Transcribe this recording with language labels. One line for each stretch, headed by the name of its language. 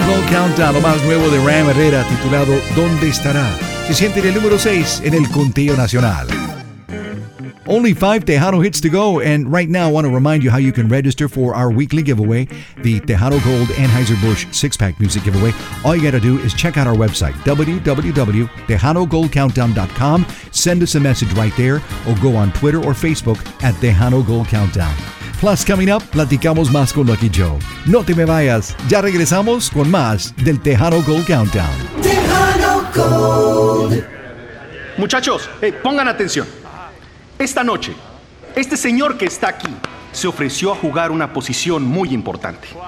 Spanish: Countdown, lo más nuevo de Ram Herrera, titulado ¿Dónde estará? Se siente en el número 6 en el conteo nacional.
English: Only 5 Tejano hits to go, and right now I want to remind you how you can register for our weekly giveaway, the Tejano Gold Anheuser-Busch 6-Pack Music Giveaway. All you got to do is check out our website, www.TejanoGoldCountdown.com. Send us a message right there, or go on Twitter or Facebook at Tejano Gold Countdown. Plus, coming up,
Spanish: platicamos más con Lucky Joe. No te me vayas, ya regresamos con más del Tejano Gold Countdown. Tejano Gold. Muchachos, hey, pongan atención. Esta noche, este señor que está aquí se ofreció a jugar una posición muy importante.